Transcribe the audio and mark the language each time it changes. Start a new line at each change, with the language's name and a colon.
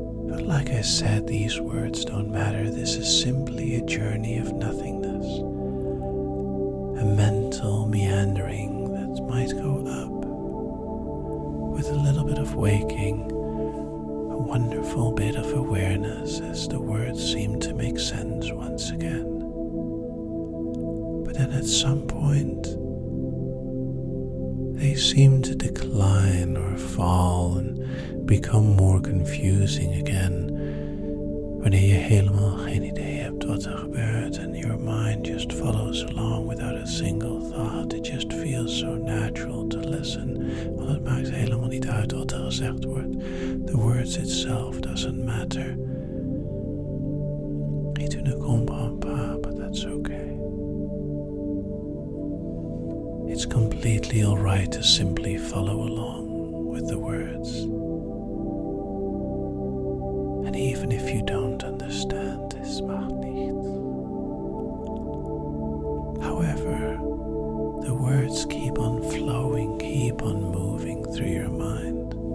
English: But like I said, these words don't matter. This is simply a journey of nothingness, a mental meandering that might go up with a little bit of waking, a wonderful bit of awareness as the words seem to make sense once again. But then at some point, they seem to decline or fall and become more confusing again.
Dutch: Wanneer je helemaal geen idee hebt wat er gebeurt
English: and your mind just follows along without a single thought, it just feels so natural to listen,
Dutch: want het maakt helemaal niet uit wat er gezegd wordt.
English: The words itself doesn't matter.
Dutch: Je doet een kompa,
English: but that's okay. It's completely alright to simply follow along with the words. And even if you don't understand,
German: es macht nichts.
English: However, the words keep on flowing, keep on moving through your mind.